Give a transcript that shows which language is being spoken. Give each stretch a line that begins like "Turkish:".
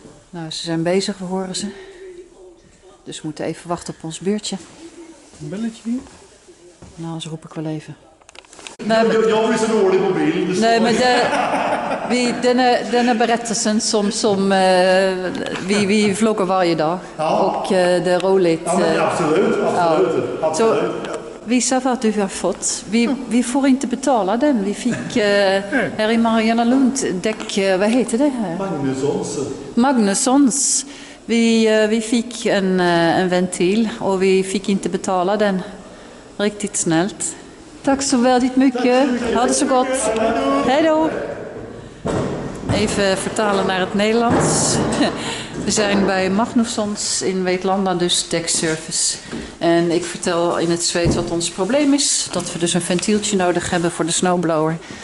Dutch: Nou, ze zijn bezig, we horen ze. Dus we moeten even wachten op ons beurtje. Een belletje hier? Nou, anders roep ik wel even.
Swedish: Nej, men det vi den är berättelsen som vi vloggar varje dag. Ja. Och det är roligt. Ja, absolut. Ja. Så visa vad du har fått. Vi får inte betala den. Vi fick här i Mariana Lund däck, vad heter det här? Magnussons. Vi fick en ventil och vi fick inte betala den riktigt snällt. Tack så väldigt mycket. Ha det så gott. Hej då.
Dutch: Even vertalen naar het Nederlands. We zijn bij Magnussons in Wetlanda, dus deck service. En ik vertel in het Zweeds wat ons probleem is. Dat we dus een ventieltje nodig hebben voor de snowblower.